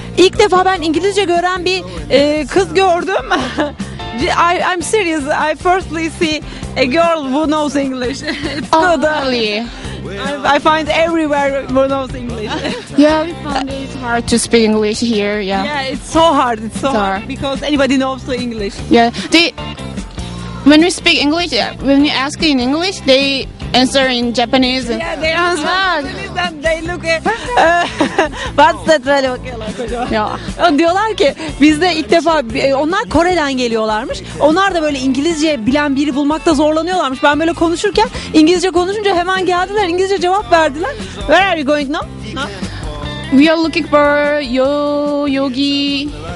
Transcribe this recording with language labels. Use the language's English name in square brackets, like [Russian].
[Turkish] İlk defa ben İngilizce gören bir kız gördüm. [English] I'm serious. I firstly see a girl who knows English. It's good. Oh, really? I find everywhere who knows English. Yeah, we find it hard to speak English here. Yeah. Yeah, it's so hard. It's so hard because anybody knows the English. Yeah. They, when we speak English, when we ask in English, they answer in Japanese. Yeah, they answer in Japanese and they look at what's that [Turkish] böyle bakıyorlar acaba. Ya. Diyorlar ki bizde ilk defa, onlar Kore'den geliyorlarmış. Onlar da böyle İngilizce bilen biri bulmakta zorlanıyorlarmış. Ben böyle konuşurken İngilizce konuşunca hemen geldiler, İngilizce cevap verdiler. [English] Where are you going now? We are looking for Yoyogi.